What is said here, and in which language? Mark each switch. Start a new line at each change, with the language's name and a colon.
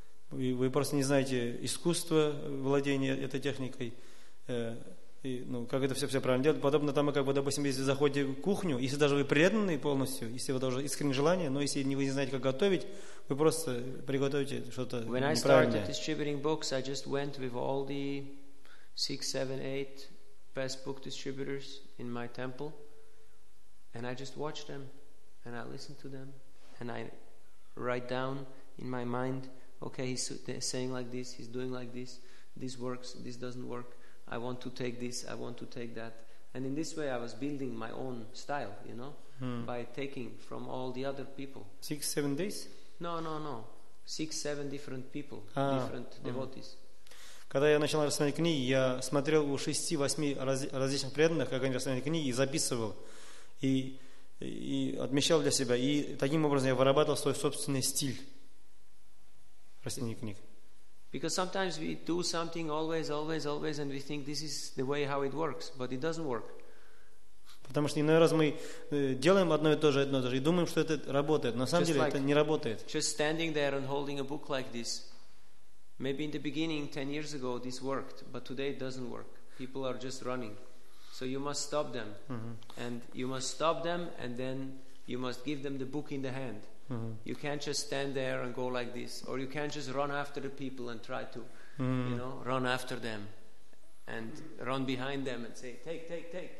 Russian: Вы просто не знаете искусства владения этой техникой, и, ну, как это все правильно делать. Подобно тому, как бы, допустим, если заходите в кухню, если даже вы преданные полностью, если вы даже искренне желание, но если вы не знаете, как готовить, вы просто приготовите что-то
English: when
Russian: неправильное.
English: When I started distributing books, I just went with all the 6, 7, 8 best book distributors in my temple, and I just watched them, and I listened to them, and I write down in my mind, okay, he's saying like this, he's doing like this, this works, this doesn't work. I want to take this, I want to take that. And in this way I was building my own style, you know, by taking from all the other people. 6, 7 days? No. 6, 7 different people, different devotees.
Russian: Когда я начал рассматривать книги, я смотрел у 6-8 различных преданных, как они рассматривали книги, и записывал, и отмечал для себя. И таким образом я вырабатывал свой собственный стиль рассматривания книг.
English: Because sometimes we do something always, and we think this is the way how it works, but it doesn't work.
Russian: Потому что иной раз мы делаем одно и то же, и думаем, что это работает. На самом деле это не работает.
English: Just standing there and holding a book like this, maybe in the beginning, 10 years ago, this worked, but today it doesn't work. People are just running. So you must stop them. And you must stop them, and then you must give them the book in the hand. You can't just stand there and go like this, or you can't just run after the people and try to, you know, run after them and run behind them and say, take.